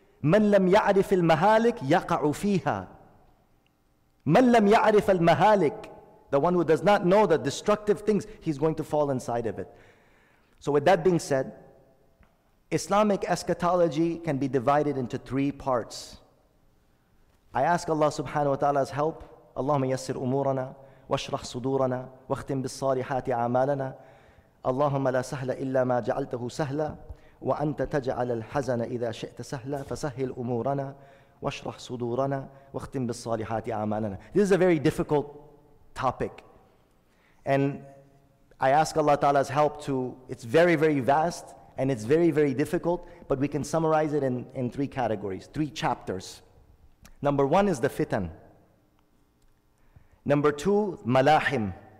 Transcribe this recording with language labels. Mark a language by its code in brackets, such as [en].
[ar] مَنْ لَمْ يَعْرِفِ الْمَهَالِكِ يَقَعُ فِيهَا مَنْ لَمْ يَعْرِفَ الْمَهَالِكِ. [en] The one who does not know the destructive things, he's going to fall inside of it. So with that being said, Islamic eschatology can be divided into three parts. I ask Allah subhanahu wa ta'ala's help. [ar] اللهم يسر أمورنا واشرح صدورنا واختم بالصالحات أعمالنا اللهم لا سهل إلا ما جعلته سهلا وأنت تجعل الحزن إذا شئت سهلا فسهل أمورنا واشرح صدورنا واختم بالصالحات أعمالنا. [en] This is a very difficult topic, and I ask Allah Ta'ala's help to, it's very, very vast, and it's very, very difficult, but we can summarize it in three categories, three chapters. Number one is the fitan. Number two, malahim.